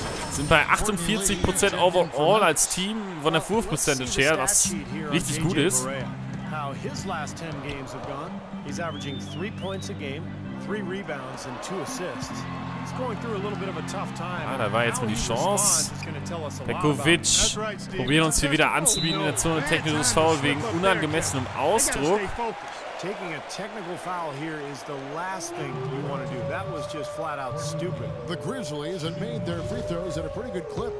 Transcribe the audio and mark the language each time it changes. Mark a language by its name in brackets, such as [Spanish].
[German] Sind bei 48% overall als Team von der Wurfprozentage her, was richtig gut ist. [English] How his last 10 games have gone. He's averaging 3 points a game, 3 rebounds and 2 assists. He's going through a little bit of a tough time. [German] Ah, da war jetzt mal die Chance. Pekovic probiert uns hier wieder anzubieten in der Zone, technisches Foul wegen unangemessenem Ausdruck. [English] Taking a technical foul here is the last thing you want to do. That was just flat out stupid. The Grizzlies have made their free throws at a pretty good clip.